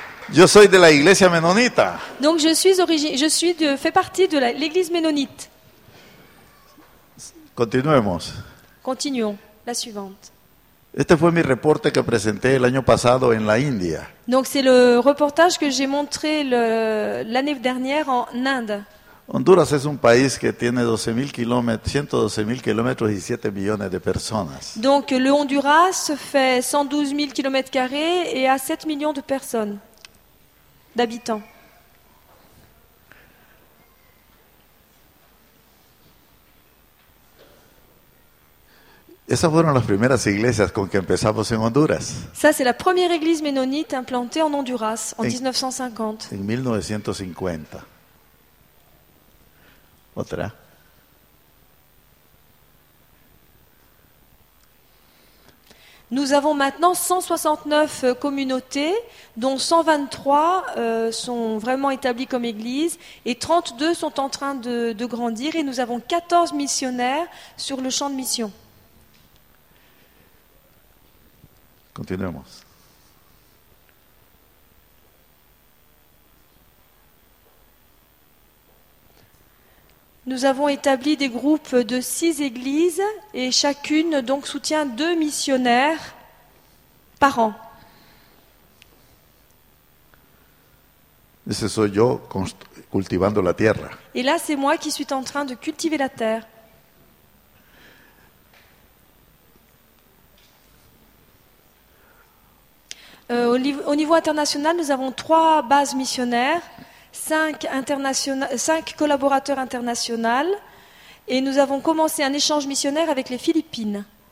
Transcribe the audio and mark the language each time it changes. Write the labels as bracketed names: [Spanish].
[Spanish] Yo soy de la iglesia menonita. [French] Donc je suis fais partie de l'église menonite. [Spanish] Continuemos. [French] Continuons, la suivante. [Spanish] Este fue mi reporte que presenté el año pasado en la India. [French] Donc c'est le reportage que j'ai montré l'année dernière en Inde. [Spanish] Honduras es un país que tiene 112 000 kilómetros y 7 millones de personas. [French] Donc le Honduras fait 112 000 kilómetros carrés et a 7 millions de personnes. D'habitants. [Spanish] Esas fueron las primeras iglesias con que empezamos en Honduras. [French] Ça, c'est la première église ménonite implantée en Honduras en 1950. [Spanish] En 1950. Otra. [French] Nous avons maintenant 169 communautés, dont 123 sont vraiment établies comme église et 32 sont en train de grandir et nous avons 14 missionnaires sur le champ de mission. [Spanish] Continuemos. [French] Nous avons établi des groupes de 6 églises et chacune donc soutient 2 missionnaires par an. [Spanish] Ese soy yo cultivando la tierra. [French] Et là, c'est moi qui suis en train de cultiver la terre. Au niveau international, nous avons 3 bases missionnaires. 5 collaborateurs internationaux et nous avons commencé un échange missionnaire avec les Philippines.